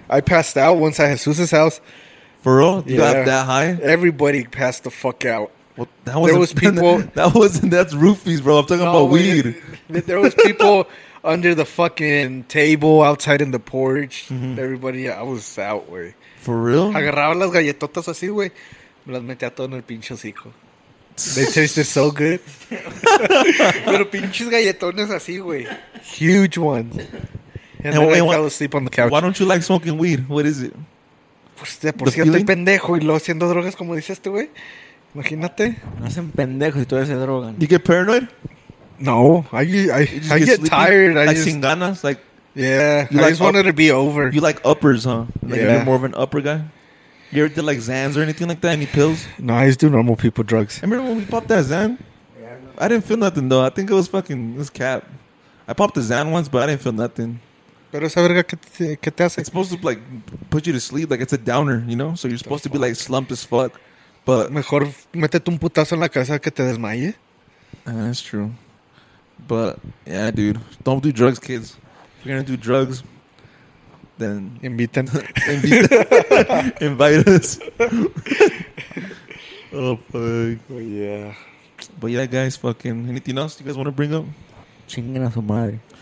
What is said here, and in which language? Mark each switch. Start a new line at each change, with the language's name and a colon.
English: I passed out once at Jesus' house. For real? You got that high? Everybody passed the fuck out. Well, that wasn't, there was people. That wasn't. That's roofies, bro. I'm talking about weed. There was people under the fucking table outside in the porch. Mm-hmm. Everybody, I was out, güey. For real?
Spanish: Agarraba las galletotas así, güey. Me las metía todo en el pinche hocico.
English: They tasted so good.
Spanish: Pero pinches galletones así, güey.
English: Huge ones. And then I fell asleep on the couch. Why don't you like smoking weed? What is it?
Spanish: Pues de por sí estoy pendejo y luego haciendo drogas como dices este, güey. Imagínate. No hacen pendejos y todo ese droga.
English: You get paranoid? No. I get tired. Like
Spanish: sin ganas?
English: Like, yeah. I just wanted to be over. You like uppers, huh? Like, yeah. You're more of an upper guy? You ever did like Xans or anything like that? Any pills? No, I just do normal people drugs. I remember when we popped that Xan? Yeah. I didn't feel nothing though. I think it was fucking, it was cap. I popped the Xan once, but I didn't feel nothing.
Spanish: Pero esa verga, ¿qué te hace?
English: It's supposed to like put you to sleep. Like it's a downer, you know? So you're supposed to be like slumped as fuck. But
Spanish: mejor métete un putazo en la cabeza que te desmaye.
English: That's true. But yeah, dude, don't do drugs, kids. If you're going to do drugs, then invite us. Oh, fuck. Oh, yeah. But yeah, guys, fucking. Anything else you guys want to bring up?
Spanish: Chinguen a su madre.